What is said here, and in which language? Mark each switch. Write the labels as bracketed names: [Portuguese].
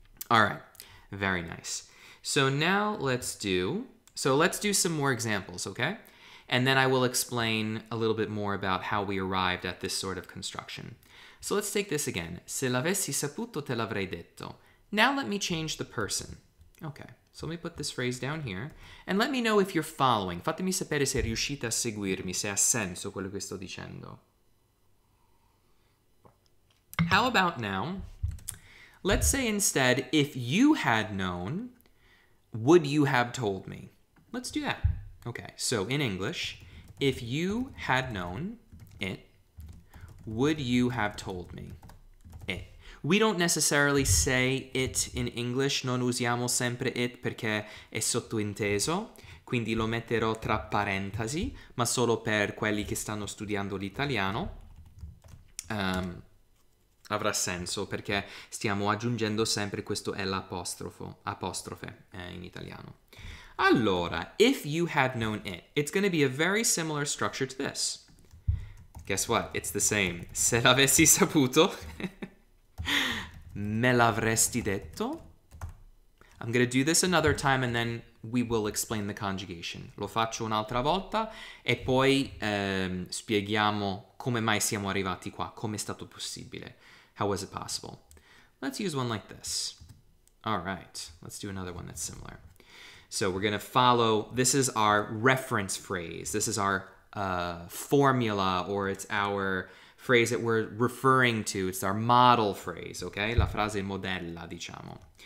[English] All right, very nice. So now let's do some more examples, okay? And then I will explain a little bit more about how we arrived at this sort of construction. So let's take this again. [Italian] Se l'avessi saputo, te l'avrei detto. [English] Now let me change the person. Okay, so let me put this phrase down here. And let me know if you're following. [Italian] Fatemi sapere se riuscite a seguirmi, se ha senso quello che sto dicendo. [English] How about now? Let's say instead, if you had known, would you have told me? Let's do that. Okay, so in English, if you had known it, would you have told me it? We don't necessarily say it in English, [Italian] non usiamo sempre it perché è sottointeso. quindi lo metterò tra parentesi, ma solo per quelli che stanno studiando l'italiano. Avrà senso perché stiamo aggiungendo sempre questo l'apostrofo, apostrofe, in italiano. [English] Allora, if you had known it, it's going to be a very similar structure to this. Guess what? It's the same. [Italian] Se l'avessi saputo, me l'avresti detto. [English] I'm going to do this another time and then we will explain the conjugation. [Italian] Lo faccio un'altra volta e poi spieghiamo come mai siamo arrivati qua, come è stato possibile. [English] How was it possible? Let's use one like this. All right, let's do another one that's similar. So we're going to follow, this is our reference phrase. This is our formula, or it's our phrase that we're referring to. It's our model phrase, okay? [Italian] La frase modella, diciamo.